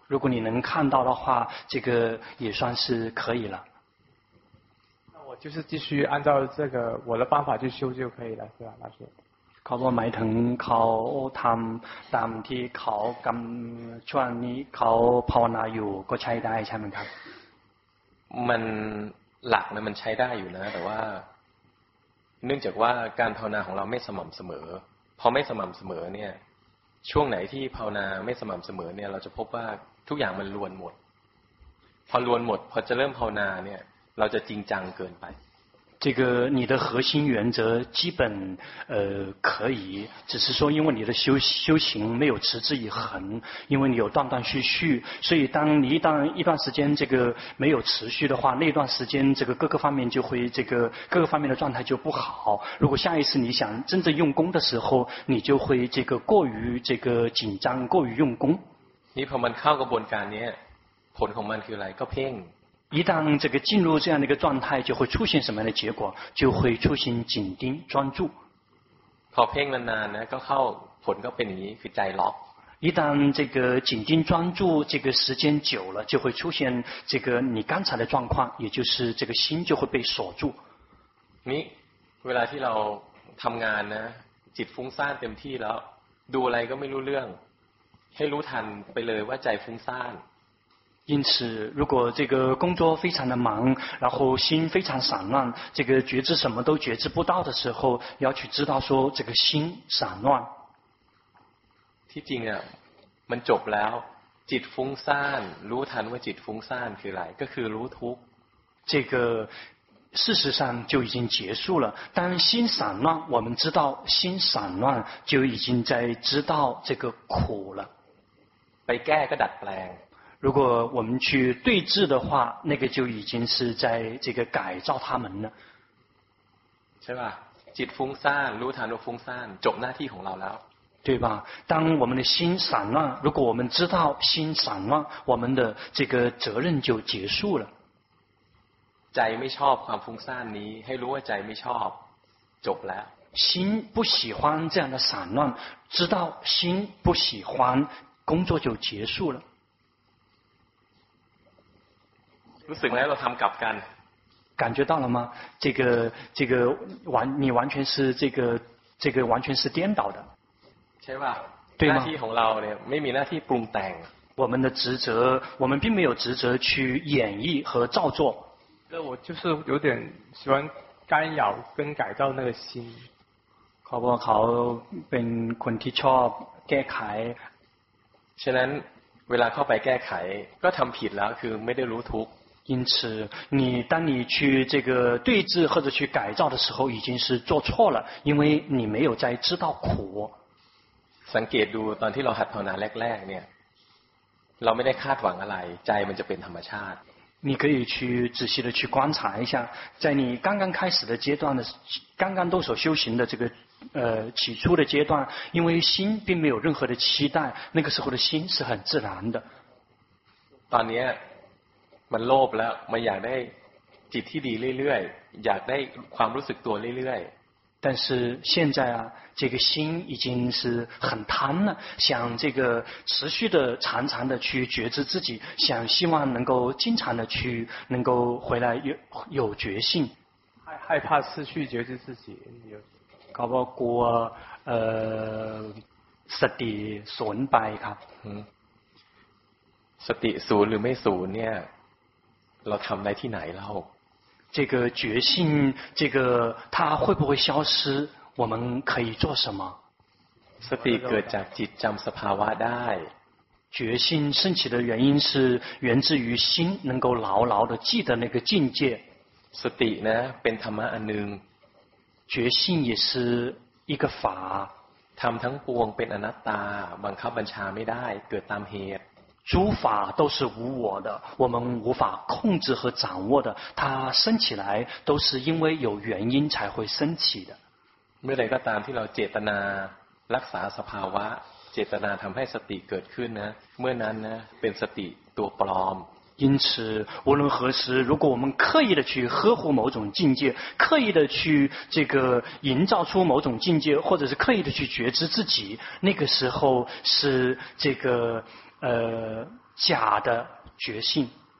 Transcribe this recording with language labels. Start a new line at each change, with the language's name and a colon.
Chinese: 如果你能看到的话，这个也算是可以了。就是继续按照这个我的方法去修就可以了，对吧，老师？
Thai: เขาบอกหมายถึงเขาทำตามที่เขากำช่วงนี้เขาภาวนาอยู่ก็ใช้ได้ใช่ไหมครับ？ มันหลักนะมันใช้ได้อยู่นะแต่ว่าเนื่องจากว่าการภาวนาของเราไม่สม่ำเสมอพอไม่สม่ำเสมอเนี่ยช่วงไหนที่ภาวนาไม่สม่ำเสมอเนี่ยเราจะพบว่าทุกอย่างมันลวนหมดพอลวนหมดพอจะเริ่มภาวนาเนี่ยเราจะจริงจังเกินไป
Chinese: 这个你的核心原则基本可以只是说因为你的修行没有持之以恒因为你有断断续续所以当你一段时间这个没有持续的话那段时间这个各个方面就会这个各个方面的状态就不好如果下一次你想真正用功的时候你就会这个过于这个紧张过于用功
Thai: 你พอมันเข้ากระบวนการนี้ผลของมันคืออะไรก็เพ่ง
Chinese: 一旦这个进入这样的一个状态，就会出现什么样的结果？就会出现紧盯专注。好，偏了呢，那个好，本个本意是在牢。一旦这个紧盯专注这个时间久了，就会出现这个你刚才的状况，也就是这个心就会被锁住。
Thai: 你，เวลาที่เราทำงานนะ，จิตฟุ้งซ่านเต็มที่แล้ว， ดูอะไรก็ไม่รู้เรื่องให้รู้ทันไปเลยว่าใจฟุ้งซ่าน
Chinese: 因此如果这个工作非常的忙然后心非常散乱这个觉知什么都觉知不到的时候要去知道说这个心散乱
Thai: ที่จริงอ่ะมันจบแล้วจิตฟุ้งซ่านรู้ทันว่าจิตฟุ้งซ่านคืออะไรก็คือรู้ทุกข์
Chinese: 这个事实上就已经结束了当心散乱我们知道心散乱就已经在知道这个苦了
Thai: ไปแก้ก็ดัดแปลง
Chinese: 如果我们去对峙的话那个就已经是在这个改造他们了是吧
Thai: จิตฟุ้งซ่านรู้ทันว่าฟุ้งซ่านจบหน้าที่ของเราแล้ว
Chinese: 对吧当我们的心散乱如果我们知道心散乱我们的这个责任就结束了
Thai: ใจไม่ชอบความฟุ้งซ่านนี้ให้รู้ว่าใจไม่ชอบจบแล้ว
Chinese: 心不喜欢这样的散乱知道心不喜欢工作就结束了
Thai: รู้สึกไหมเราทำกลับกัน
Chinese: 感觉到了吗这个完你完全是这个完全是颠倒的
Thai: ใช่ป่ะ ห น้าที่ของเราเนี่ยไม่มีหน้าที่ปรุงแต่ง
Chinese: 我们的职责我们并没有职责去演绎和造作我就是有点喜欢干扰跟改造那个心好不好好
Thai: เป็นคนที่ชอบแก้ไข ฉะนั้นเวลาเข้าไปแก้ไขก็ทําผิดแล้วคือไม่ได้รู้ทุกข์
Chinese: 因此你当你去这个对峙或者去改造的时候已经是做错了因为你没有在知道苦
Thai: สังเกตดูตอนที่เราหัดภาวนาแรกๆเนี่ยเราไม่ได้คาดหวังอะไรใจมันจะเป็นธรรมชาติ
Chinese: 你可以去仔细的去观察一下在你刚刚开始的阶段的刚刚动手修行的这个起初的阶段因为心并没有任何的期待那个时候的心是很自然的
Thai: ตอนนี้มันโลภแล้วมันอยากได้จิตที่ดีเรื่อยๆอยากได้ความรู้สึกตัวเรื่อย
Chinese: ๆ但是现在啊这个心已经是很贪了想这个持续的常常的去觉知自己想希望能够经常的去能够回来有觉性害怕失去觉知自己搞不好过实地损败ครับ 实地损
Thai: หรือไม่损เนี่ยเราทำได้ที่ไหนแล้ว
Chinese: 这个觉性这个它会不会消失我们可以做什么
Thai: สติเกิดจากจิตจำสภาวะได้
Chinese: 觉心升起的原因是源自于心能够牢牢的记得那个境界
Thai: สตินะเป็นธรรมะอันหนึ่ง
Chinese: 觉心也是一个法
Thai: ธรรมทั้งปวงเป็นอนัตตาบังคับบัญชาไม่ได้เกิดตามเหตุ
Chinese: 诸法都是无我的我们无法控制和掌握的它升起来都是因为有原因才会升起的
Thai: เมื่อใดก็ตามที่เราเจตนารักษาสภาวะเจตนาทำให้สติเกิดขึ้นนะเมื่อนั้นนะเป็นสติตัวปลอม
Chinese: 因此无论何时如果我们刻意的去呵护某种境界刻意的去这个营造出某种境界或者是刻意的去觉知自己那个时候是这个假的觉性